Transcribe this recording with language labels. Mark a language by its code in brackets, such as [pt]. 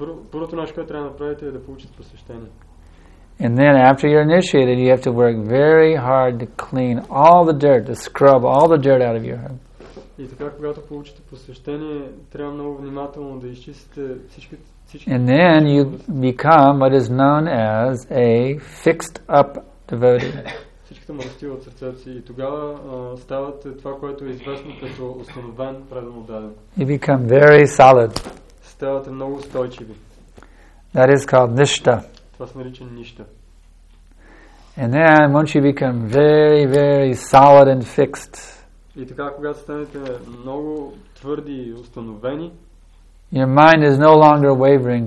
[bg] Първото нещо, което трябва да направите, е да получите посвещение. [en] And then after you're initiated, you have to work very hard to clean all the dirt, to scrub all the dirt out of your heart. [bg] И така, когато получите посвещение, трябва много внимателно да изчистите всички. [en] And then you become what is known as a fixed up devotee. [bg] Всичката мръстива от сърцето си. И тогава ставате това, което е известно като установен преданно даден. [en] You become very solid. [bg] Ставате много устойчиви. [en] That is called nishta. [bg] Това се нарича ништа. [en] And then once you become very, very solid and fixed, [bg] и така, когато станете много твърди и установени, [en] your mind is no longer wavering.